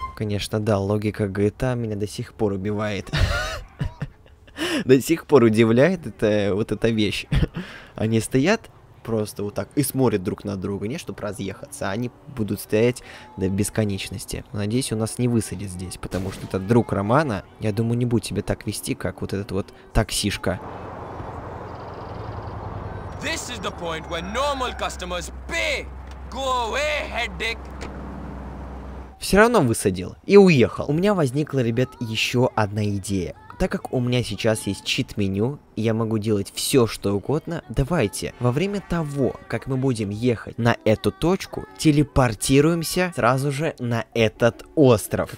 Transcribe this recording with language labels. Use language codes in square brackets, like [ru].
[ru] Конечно, да, логика GTA меня до сих пор убивает. До сих пор удивляет это, вот эта вещь. Они стоят просто вот так и смотрят друг на друга, не чтобы разъехаться, а они будут стоять до бесконечности. Надеюсь, у нас не высадит здесь, потому что этот друг Романа, я думаю, не будет тебя так вести, как вот этот вот таксишка. [en] This is the point where normal customers pay. Go away, headache. [ru] Все равно высадил и уехал. У меня возникла, ребят, еще одна идея. Так как у меня сейчас есть чит-меню, я могу делать все, что угодно. Давайте, во время того, как мы будем ехать на эту точку, телепортируемся сразу же на этот остров.